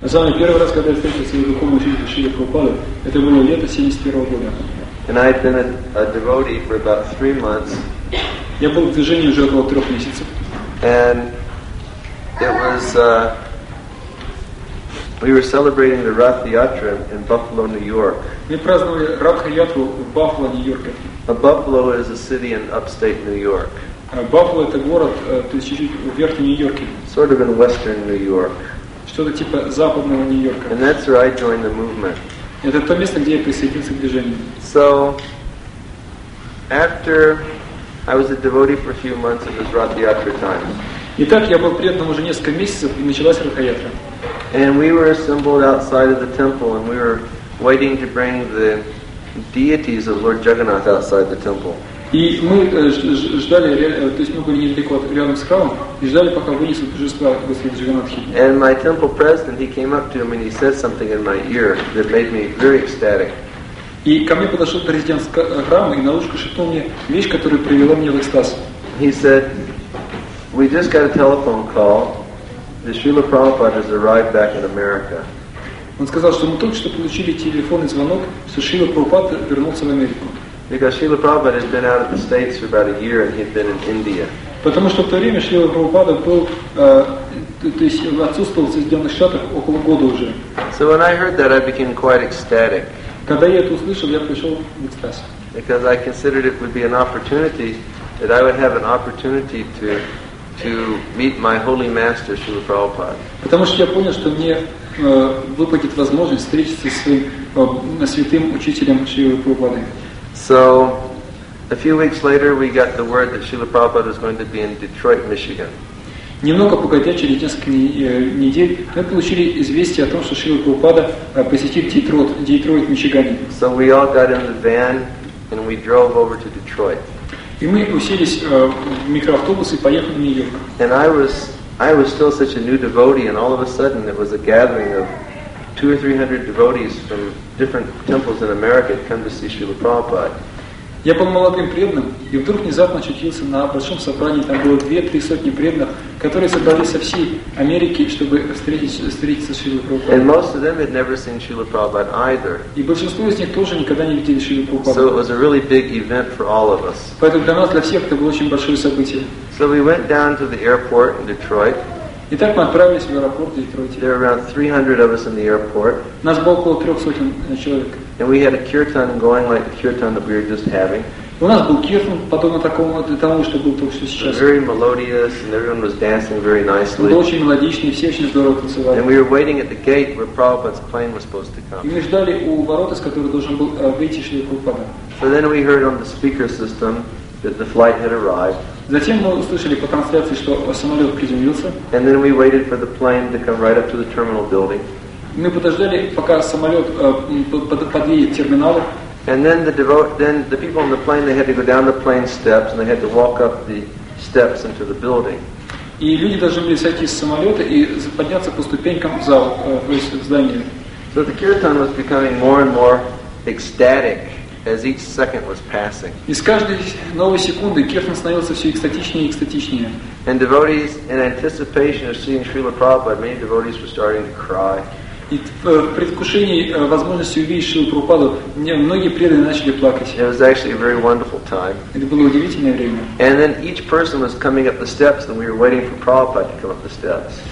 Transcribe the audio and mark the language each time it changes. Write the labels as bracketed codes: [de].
[ru] самый первый раз, когда я встретился с языком учителя Шри Прабхупады, это было лето 71 года. [en] And I'd been a devotee for about 3 months. [ru] Я был в движении уже около 3 месяцев. [en] And it was we were celebrating the Rath Yatra in Buffalo, New York. [ru] Мы праздновали Ратха Ятру в Баффало, Нью-Йорке. [en] A Buffalo is a city in upstate New York. [ru] Баффало это город, то есть чуть-чуть в верхнем Нью-Йорке. [en] Sort of in western New York. [ru] Что-то типа западного Нью-Йорка. [en] And that's where I joined the movement. [ru] Это то место, где я присоединился к движению. [en] So, after I was a devotee for a few months, it was Rath Yatra time. [ru] Итак, я был преданным уже несколько месяцев, и началась Ратха Ятра. [en] And we were assembled outside of the temple, and we were waiting to bring the deities of Lord Jagannath outside the temple. [ru] И мы ждали, то есть мы были недалеко от рядом с храмом, и ждали, пока вынесут божества Господа Джаганатхи. [en] And my temple president, he came up to him and he said something in my ear that made me very ecstatic. [ru] И ко мне подошел президент храма и на ушко шепнул мне вещь, которая привела меня в экстаз. [en] He said, "We just got a telephone call. The Srila Prabhupada has arrived back in America." [ru] Он сказал, что мы только что получили телефонный звонок, что Шрила Прабхупада вернулся в Америку. [en] Because Srila Prabhupada had been out of the States for about a year and he'd been in India. [ru] Потому что в то время Шрила Прабхупада был, то есть отсутствовал в Соединенных Штатах около года уже. [en] So when I heard that, I became quite ecstatic. [ru] Когда я это услышал, я пришел в экстаз. [en] Because I considered it would be an opportunity, that I would have an opportunity to meet my holy master Srila Prabhupada. [ru] Потому что я понял, что мне выпадет возможность встретиться с своим святым учителем Шрилой Прабхупадой. [en] So, a few weeks later, we got the word that Srila Prabhupada was going to be in Detroit, Michigan. [ru] Немного погодя, через несколько недель, мы получили известие о том, что Шрила Прабхупада посетит Детройт, Мичиган. [en] So we all got in the van and we drove over to Detroit. [ru] И мы уселись в микроавтобус и поехали в Нью-Йорк. [en] And I was still such a new devotee, and all of a sudden it was a gathering of 200 or 300 devotees from different temples in America had come to see Srila Prabhupada. [ru] Я был молодым преданным, и вдруг внезапно очутился на большом собрании, там было 2-3 сотни преданных, которые собрались со всей Америки, чтобы встретиться с Шрилой Прабхупадой. [en] And most of them had never seen Srila Prabhupada either. [ru] И большинство из них тоже никогда не видели Шрилу Прабхупаду. [en] So it was a really big event for all of us. [ru] Поэтому для нас, для всех, это было очень большое событие. [en] So we went down to the airport in Detroit. [ru] Итак, мы отправились в аэропорт Детройта. [en] There were around 300 of us in the airport. [ru] Нас было около 300 человек. [en] And we had a kirtan going like the kirtan that we were just having. [ru] У нас был кирхан, подобно тому, что был только что сейчас. [en] Very melodious, and everyone was dancing very nicely. [ru] Было очень мелодично, все очень здорово танцевали. [en] And we were waiting at the gate where Prabhupada's plane was supposed to come. [ru] И мы ждали у ворот, из которых должен был выйти Шрила Прабхупада. [en] So then we heard on the speaker system that the flight had arrived. [ru] Затем мы услышали по трансляции, что самолет приземлился. [en] And then we waited for the plane to come right up to the terminal building. [ru] Мы подождали, пока самолет подъедет к терминалу. [en] And then the people on the plane, they had to go down the plane steps and they had to walk up the steps into the building. [ru] И люди должны были сойти с самолета и подняться по ступенькам в зал, в здание. [en] So the kirtan was becoming more and more ecstatic as each second was passing. [ru] И с каждой новой секунды кирхан становился все экстатичнее и экстатичнее. [en] And devotees, in anticipation of seeing Srila Prabhupada, many devotees were starting to cry. [ru] И в предвкушении возможности увидеть Шрилу Прабхупаду, многие преданные начали плакать. [en] It was actually a very wonderful time. [ru] Это было удивительное время. [en] And then each person was coming up the steps, and we were waiting for Prabhupada to come up the steps.